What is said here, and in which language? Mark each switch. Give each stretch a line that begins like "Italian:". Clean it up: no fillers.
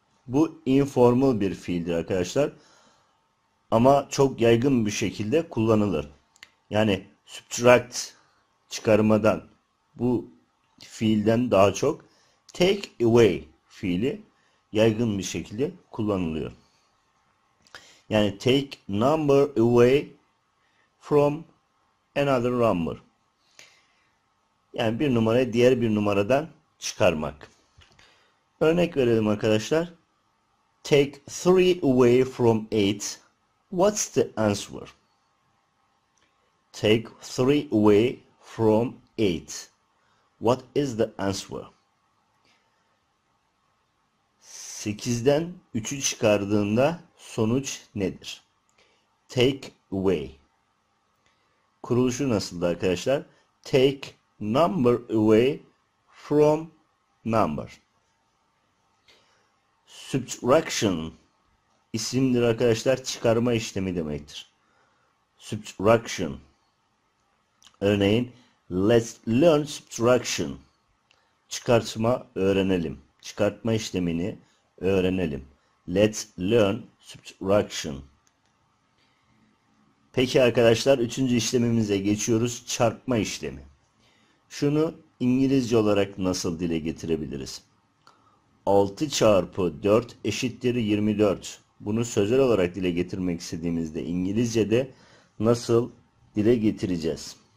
Turkish: Bu informal bir fiildir arkadaşlar. Ama çok yaygın bir şekilde kullanılır. Yani subtract çıkarmadan bu fiilden daha çok take away fiili yaygın bir şekilde kullanılıyor.
English: Yani take number away from another number.
Turkish: Yani bir numarayı diğer bir numaradan çıkarmak. Örnek verelim arkadaşlar.
English: Take three away from eight. What's the answer? Take three away from eight. What is the answer?
Turkish: 8'den 3'ü çıkardığında sonuç nedir?
English: Take away.
Turkish: Kuruluşu nasıldı arkadaşlar?
English: Take number away from number.
Turkish: Subtraction isimdir arkadaşlar. Çıkarma işlemi demektir. Subtraction.
English: Örneğin, let's learn subtraction.
Turkish: Çıkartma öğrenelim. Çıkartma işlemini öğrenelim.
English: Let's learn subtraction.
Turkish: Peki arkadaşlar, üçüncü işlemimize geçiyoruz. Çarpma işlemi. Şunu İngilizce olarak nasıl dile getirebiliriz? 6 çarpı 4 eşittir 24. Bunu sözel olarak dile getirmek istediğimizde İngilizce'de nasıl dile getireceğiz?